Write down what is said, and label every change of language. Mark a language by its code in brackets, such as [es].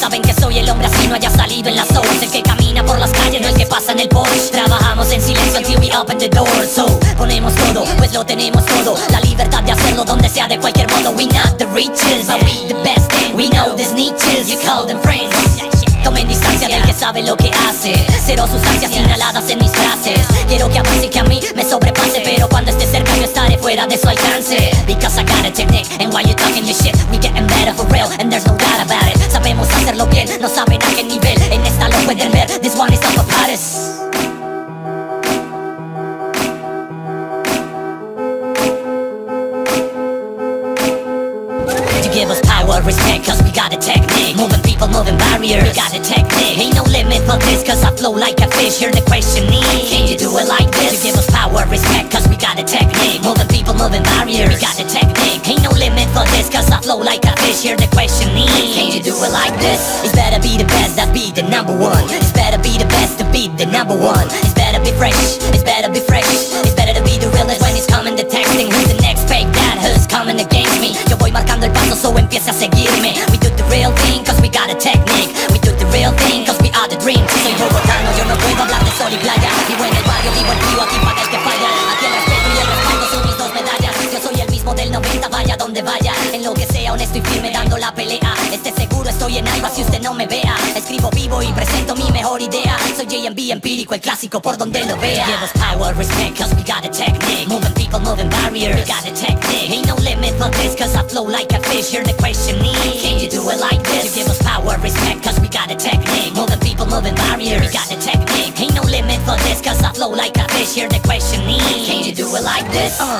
[es] Saben que soy el hombre así no haya salido en las stores. El que camina por las calles, no el que pasa en el Porsche. Trabajamos en silencio [en] until we open the door. [es] So, ponemos todo, pues lo tenemos todo. La libertad de hacerlo donde sea de cualquier modo. [en] We not the riches, but we the best. We know these niches, you call them friends. [es] Tomen distancia del que sabe lo que hace. Cero sustancias inhaladas en mis frases. Quiero que avance y que a mí me sobrepase. Pero cuando esté cerca yo estaré fuera de su alcance. [en] Because I got a technique, and while you're talking your shit, we getting better for real, and there's no doubt about it. [es] Sabemos hacerlo bien, no saben a qué nivel. En esta lo pueden ver, [en] this one is up for Paris. Give us power, respect, cause we got a technique. Moving people, moving barriers, we got a technique. Ain't no limit for this, cause I flow like a fish. You're the question is, can you do it like this? To give us power, respect, cause we got a technique. Moving people, moving barriers, we got a technique. Ain't no limit for this, cause I flow like a fish. You're the question is, can you do it like this? It's better be the best, that be the number one. It's better be the best, to be the number one. It's better be fresh, it's better be fresh. It's better to be the realest when it's coming to texting. Who's the next fake that who's coming against me? [es] Marcando el paso, so empieza a seguirme. [en] We do the real thing, cause we got a technique. We do the real thing, cause we are the dream. [es] Soy bogotano, yo no puedo hablar de sol y playa. Vivo en el barrio, vivo en río, aquí paga el que falla. Aquí el respeto y el respaldo son mis dos medallas. Yo soy el mismo del 90, vaya donde vaya. En lo que sea, honesto y firme, dando la pelea. Este seguro estoy en alba, si usted no me vea. Escribo vivo y presento mi mejor idea. Soy JMB, empírico, el clásico, por donde lo vea. [en] Give us power, respect, cause we got a technique. Moving people, moving barriers, we got a technique. Ain't no limit for this, cause I flow like a fish. You're the question is, can you do it like this? To give us power, respect, cause we got a technique. Moving people, moving barriers, we got a technique. Ain't no limit for this, cause I flow like a fish. You're the question is, can you do it like this?